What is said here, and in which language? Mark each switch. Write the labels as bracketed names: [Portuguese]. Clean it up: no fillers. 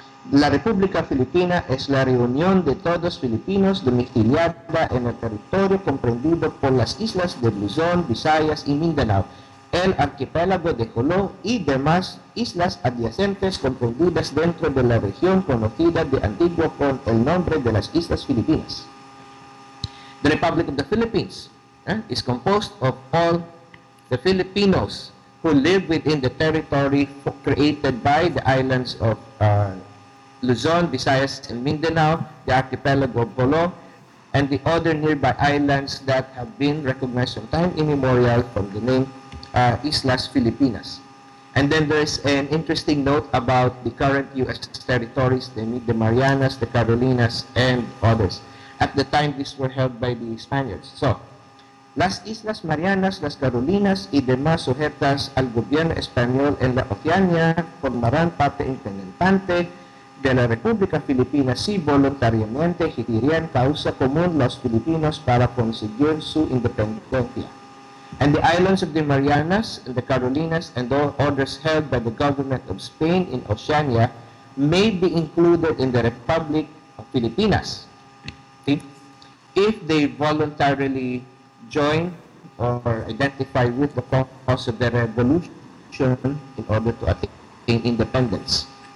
[Spanish] La República Filipina es la reunión de todos filipinos domiciliada en el territorio comprendido por las islas de Luzon, Visayas y Mindanao, el archipiélago de Jolo y demás islas adyacentes comprendidas dentro de la región conocida de antiguo con el nombre de las Islas Filipinas. [English] The Republic of the Philippines is composed of all the Filipinos who live within the territory created by the islands of Luzon, Visayas, and Mindanao, the archipelago of Jolo, and the other nearby islands that have been recognized from time immemorial from the name Islas Filipinas. And then there's an interesting note about the current U.S. territories, the Marianas, the Carolinas, and others. At the time, these were held by the Spaniards. [Spanish] So, las Islas Marianas, las Carolinas y demás sujetas al gobierno español en la Oceania formarán parte independiente de la República Filipina si voluntariamente girían causa común los filipinos para conseguir su independencia. [English] And the islands of the Marianas and the Carolinas and all others held by the government of Spain in Oceania may be included in the Republic of Filipinas if they voluntarily join or identify with the cause of the revolution in order to attain independence.